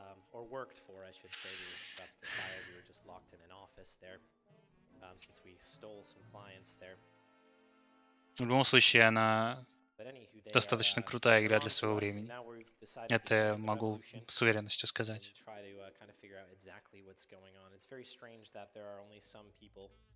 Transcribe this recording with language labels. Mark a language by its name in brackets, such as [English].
[English] Or worked for, I should say, that's the fire. We were just locked in an office there, since we stole some clients there. [Russian] В любом случае, она достаточно крутая игра для своего времени. Это могу с уверенностью сказать. [English] Try to kind of figure out exactly what's going on. It's very strange that there are only some people.